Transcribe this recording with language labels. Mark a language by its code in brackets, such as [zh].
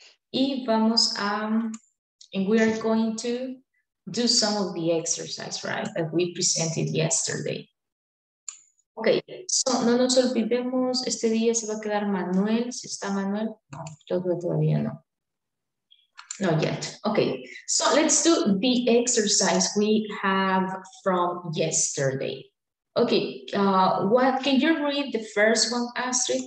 [es] Y vamos a, [en] and we are going to do some of the exercise, right, that we presented yesterday. [es] Okay, so no nos olvidemos, este día se va a quedar Manuel. Si está Manuel, no, yo creo todavía no. [en] Not yet. Okay, so let's do the exercise we have from yesterday. Okay, what can you read the first one, Astrid?